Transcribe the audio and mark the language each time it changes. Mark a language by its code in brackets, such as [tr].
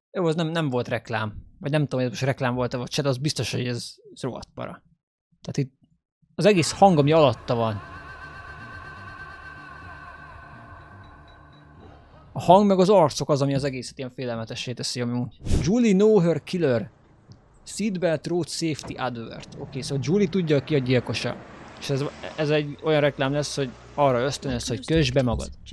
[hu] Jó, az nem volt reklám. Vagy nem tudom, hogy ez most reklám volt-e, vagy se, az biztos, hogy ez rohadt para. Tehát itt az egész hang, ami alatta van. A hang meg az arcok az, ami az egészet ilyen félelmetessé teszi, ami úgy. [en] Julie know her killer. Seatbelt road safety advert. [hu] Oké, okay, szóval Julie tudja, ki a gyilkosa. És ez egy olyan reklám lesz, hogy arra ösztönöz, hogy kösd be magad.